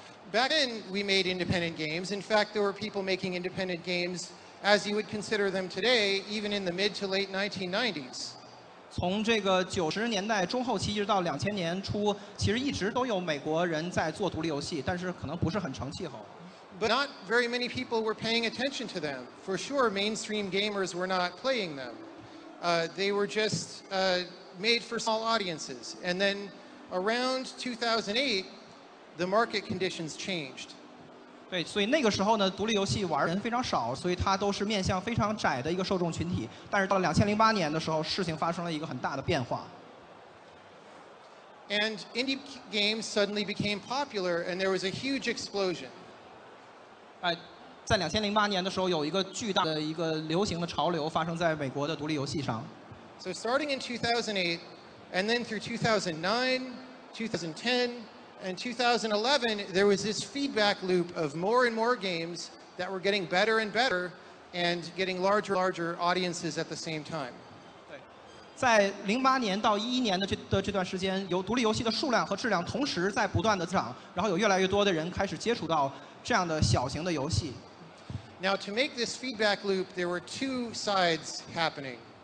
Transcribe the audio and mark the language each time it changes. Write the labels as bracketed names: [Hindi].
[English] Back then, we made independent games. In fact, there were people making independent games as you would consider them today, even in the mid to late 1990s. [Chinese] 从这个90年代中后期一直到2000年初，其实一直都有美国人在做独立游戏，但是可能不是很成气候。 [English] But not very many people were paying attention to them. For sure, mainstream gamers were not playing them. They were just made for small audiences. And then around 2008, the market conditions changed. [Chinese] 对，所以那个时候呢，独立游戏玩人非常少，所以它都是面向非常窄的一个受众群体。但是到了2008年的时候，事情发生了一个很大的变化。 [English] And indie games suddenly became popular, and there was a huge explosion. [Chinese] 在2008年的时候，有一个巨大的一个流行的潮流发生在美国的独立游戏上。 [English] So starting in 2008, and then through 2009, 2010. And 2011, there was this feedback loop of more and more games that were getting better and better and getting larger and larger audiences at the same time. [Chinese] 在08年到11年的这段时间，由独立游戏的数量和质量同时在不断的增长，然后有越来越多的人开始接触到这样的小型的游戏。 [English] Now, to make this feedback loop, there were two sides happening.